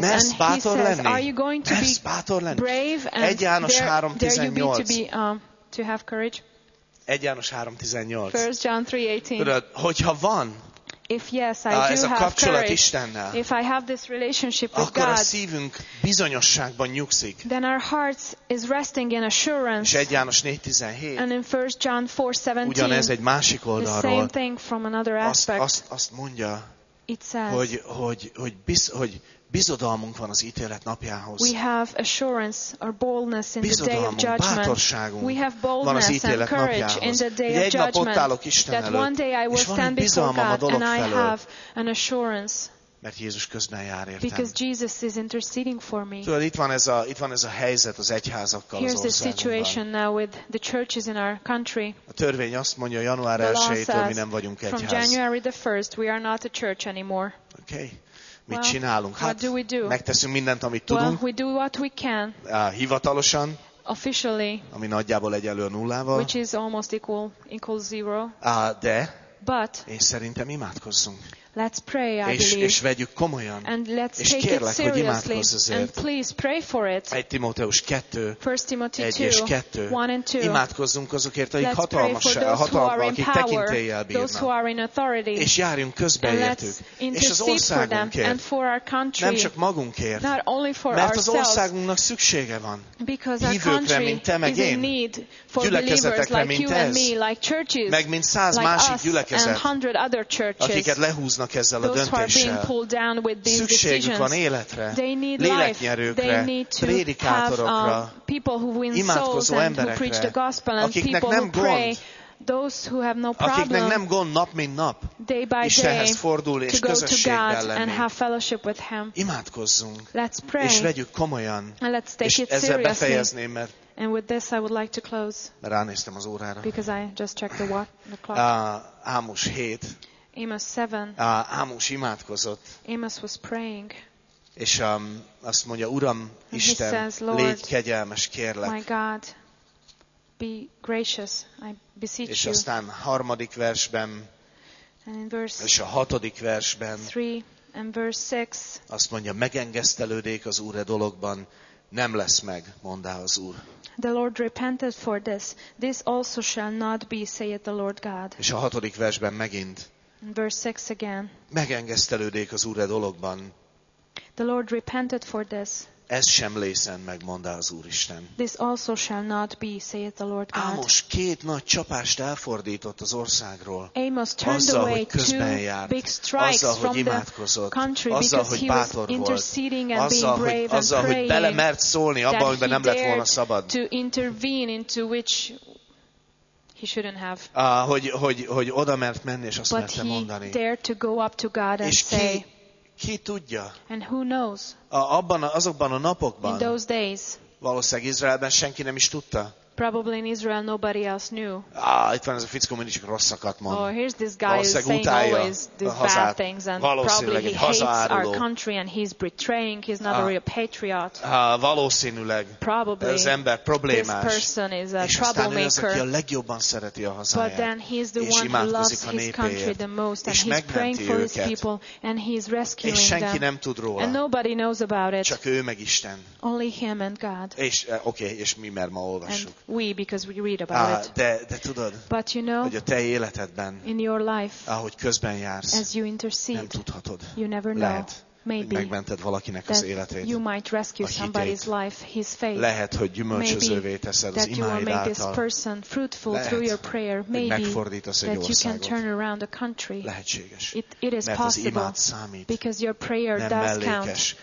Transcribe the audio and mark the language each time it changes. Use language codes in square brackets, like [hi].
[hu] Mersz bátor lenni? [en] Says, are you going to be [hu] bátor lenni? [en] Brave and [hu] egy János 3:18. [en] Dare you be to have courage? [hu] 1 János 3:18. [en] 1 John 3:18. [hu] Tudod, hogyha van, [en] if yes, I do [hu] ez a kapcsolat courage, Istennel, [en] if I have this relationship with [hu] akkor [en] God, [hu] a szívünk bizonyosságban nyugszik. [en] Then our hearts is resting in assurance. [hu] És 1 János 4:17. [en] And in 1 John 4:17. [hu] Ugyanez egy másik oldalról. [en] The same thing from another aspect. [hu] Azt mondja, [en] it says, [hu] hogy bizodalmunk van az ítélet napjához. [en] We have assurance or boldness in the day of judgment. [hu] Bizodalmunk, bátorságunk. [en] We have boldness and courage in the day of judgment. That one day I will stand before God and I have an assurance. [hu] Mert Jézus közben jár értem. [en] Because Jesus is interceding for me. [hu] Tudod, itt van ez a helyzet az egyházakkal, [en] here's [hu] az országunkban. [en] The situation now with the churches in our country. [hu] A törvény azt mondja, január 1-től mi nem vagyunk egyház. [en] From January the 1st we are not a church anymore. [hu] Okay. Mit csinálunk? Hát, megteszünk mindent, amit [en] well, [hu] tudunk. [en] We do what we can. [hu] Hivatalosan. [en] Officially. [hu] Ami nagyjából egyenlő a nullával. [en] Which is almost equal zero. [hu] De. [en] But. [hu] Én szerintem imádkozzunk. [en] Let's pray, I [hu] believe. És vegyük komolyan. [en] And let's [hu] és [en] take [hu] kérlek, [en] it seriously. [hu] Hogy imádkozz azért. [en] And please pray for it. [hu] 1 Timóteus 2. [en] 1 Timothy [hu] 2. 1 és 2. [en] 1 and 2. [hu] Imádkozzunk azokért, akik hatalmasak, akik tekintéllyel bírnak. [en] Those who are in authority. [hu] És járjunk közbe értük. És az országunkért. [en] And for our country. [hu] Nem csak magunkért. [en] Not only for [hu] mert az országunknak szüksége van. [en] Because [hu] hívőkre, mint te meg én. Gyülekezetekre, mint ez. [en] Like churches, [hu] meg mint 100 [en] like [hu] másik gyülekezet. [en] And 100 other churches. [hu] Akiket lehúz ezzel a döntéssel. Szükségük van életre, léleknyerőkre, prédikátorokra, imádkozó emberekre, akiknek nem gond, akiknek nem gond nap mint nap Istenhez fordul és közösséggel lenni. Imádkozzunk, és vegyük komolyan, és ezzel befejezném, mert [en] and with this I would like to close, [hu] mert ránéztem az órára. [en] Because I just checked the clock. [hu] Ámos 7. [en] Amos 7. [hu] Ámos imádkozott. [en] Amos was praying. [hu] És azt mondja, Uram, Isten, [en] says, [hu] légy kegyelmes, kérlek. [en] My God, be gracious, I beseech [hu] és [en] you. [hu] És aztán harmadik versben, [en] and in verse [hu] és a hatodik versben, [en] three and verse six, [hu] azt mondja, megengesztelődék az Úr-e dologban, nem lesz meg, mondá az Úr. [en] The Lord repented for this. This also shall not be, saith the Lord God. [hu] És a hatodik versben megint, [en] verse 6 again. [hu] Megengesztelődék az Úr-e dologban. [en] The Lord repented for this. [hu] Ez sem lészen, megmondá az Úristen. [en] This also shall not be, saith the Lord God. [hu] Ámos két nagy csapást elfordított az országról. [en] Amos turned away two big strikes [hu] azzal, hogy [en] from [hu] imádkozott, [en] the country [hu] azzal, [en] because [hu] hogy bátor [en] he was interceding [hu] volt, [en] and being [hu] azzal, [en] brave [hu] azzal, [en] and [hu] hogy bele mert szólni abban, amiben nem lett volna szabad. [en] To intervene into which he shouldn't have. [hu] Hogy oda mert menni, és azt [en] but [hu] merte mondani. [en] But he dared to go up to God and say. [hu] Ki tudja? [en] And who knows? [hu] Azokban a napokban. [en] In those days. [hu] Valószínűleg Izraelben senki nem is tudta. [en] Probably in Israel nobody else knew. [hu] Itt van ez a fickó, mindig csak rosszakat mond. [en] Oh, here's this guy who's saying always these bad things and probably he hates our country and he's betraying. He's not a real patriot. [hu] Valószínűleg. [en] Probably. [hu] Ez ember problémás. [en] This person is a [hu] és [en] troublemaker. [hu] És aztán ő az, aki a legjobban szereti a hazáját. [en] But then he's the one who loves his country the most and he's praying for his people and he's rescuing them. [hu] És senki nem tud róla. [en] And nobody knows about it. [hu] Csak ő meg Isten. [en] Only him and God. [hu] És oké, és mi mert ma olvassuk. [en] We, because we read about it. [hu] De tudod, [en] but you know, [hu] hogy a te életedben, [en] in your life, [hu] ahogy közben jársz, [en] as you intercede, [hu] nem tudhatod. [en] You never [hu] lehet, [en] know. [hu] hogy megmented valakinek az életét. [en] You might rescue somebody's life, his faith. [hu] Lehet, hogy gyümölcsözővé teszed az imáid [en] által. This person fruitful [hu] lehet, [en] through your prayer. Maybe that you can turn around a country. [hu] Lehetséges. [en] It is possible. [hu] Mert az imád számít. [en] Because your prayer does count.